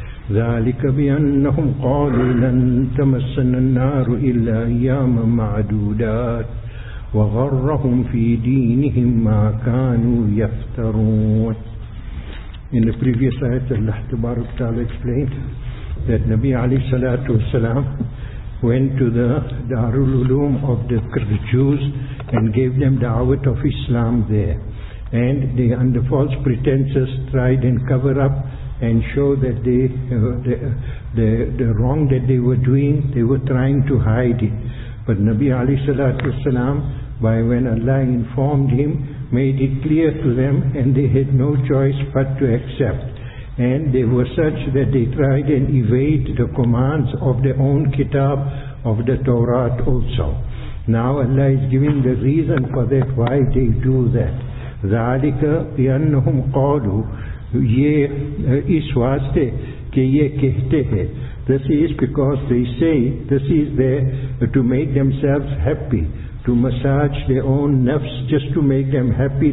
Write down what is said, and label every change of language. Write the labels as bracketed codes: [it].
[ar] ذلك بأنهم قالوا لن تمسنا النار إلا أياما معدودات وغرهم في دينهم ما كانوا يفترون. [en] In the previous ayat, Allah Tabarak Ta'ala explained that Nabi alayhi salatu wasalam went to the Darul Uloom of the Jews and gave them the da'wat of Islam there. And they, under false pretenses, tried and cover up and show that they, the wrong that they were doing, they were trying to hide it. But Nabi alayhi salatu wasalam, by when Allah informed him, made it clear to them, and they had no choice but to accept. And they were such that they tried and evade the commands of their own kitab, of the Torah also. Now Allah is giving the reason for that, why they do that. [ar] ذَلِكَ بِأَنَّهُمْ قَالُوا [ur] یہ اس واسطے کہ یہ کہتے ہیں. [en] This is because they say, this is there to make themselves happy, to massage their own nafs, just to make them happy.